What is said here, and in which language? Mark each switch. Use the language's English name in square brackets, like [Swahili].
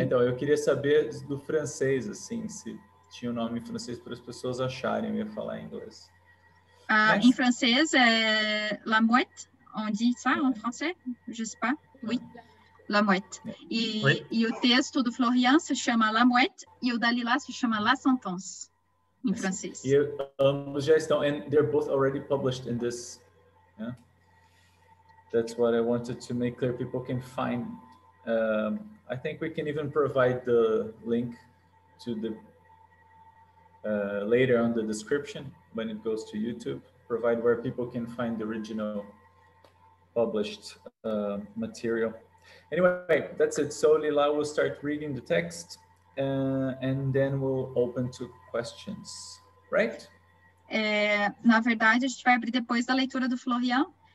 [Portuguese] Então, eu queria saber do francês, assim, se tinha um nome em francês para as pessoas acharem, eu ia falar em inglês. Em francês é [French] La Mouette, on dit ça en français, je sais pas, oui. La Mouette. [Portuguese] E o texto do Florian se chama La Mouette e o da Lila se chama La Sentence, em francês. E ambos já estão, [English] and they're both already published in this. Yeah? That's what I wanted to make clear. People can find. I think we can even provide the link to the later on the description when it goes to YouTube, provide where people can find the original published material. Anyway, that's it. So Lila will start reading the text and then we'll open to questions, right? [Portuguese] Na verdade, a gente vai abrir depois da leitura do Florian.